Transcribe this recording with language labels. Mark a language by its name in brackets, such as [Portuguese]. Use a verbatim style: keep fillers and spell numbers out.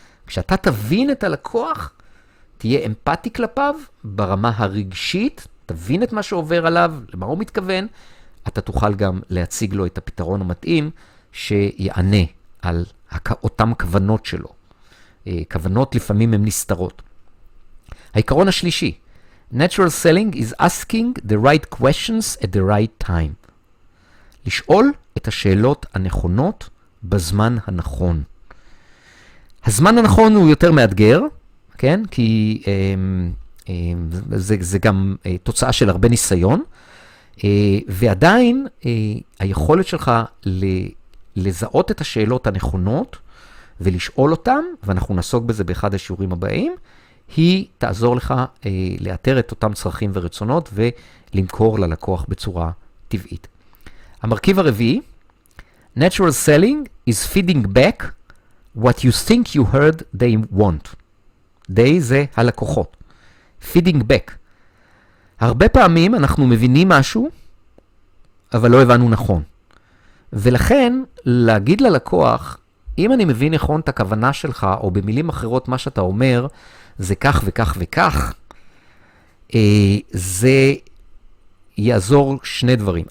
[Hebrew] כשאתה תבין את הלקוח, תהיה אמפתי כלפיו ברמה הרגשית, תבין את מה שעובר עליו, למה הוא מתכוון, אתה תוכל גם להציג לו את הפתרון המתאים, שיענה על אותם כוונות שלו. כוונות לפעמים הן נסתרות. העיקרון השלישי, [English] Natural selling is asking the right questions at the right time. [Hebrew] לשאול את השאלות הנכונות בזמן הנכון. הזמן הנכון הוא יותר מאתגר, כן? כי אה, אה, זה, זה גם אה, תוצאה של הרבה ניסיון, אה, ועדיין אה, היכולת שלך ל, לזהות את השאלות הנכונות ולשאול אותן, ואנחנו נעסוק בזה באחד השיעורים הבאים, היא תעזור לך אה, לאתר את אותם צרכים ורצונות ולמכור ללקוח בצורה טבעית. המרכיב הרביעי, [English] Natural selling is feeding back what you think you heard they want. [Hebrew] they זה הלקוחות. feeding back. הרבה פעמים אנחנו מבינים משהו, אבל לא הבנו נכון. ולכן, להגיד ללקוח, אם אני מבין נכון את הכוונה שלך, או במילים אחרות מה שאתה אומר, זה כך וכך וכך, זה יעזור שני דברים.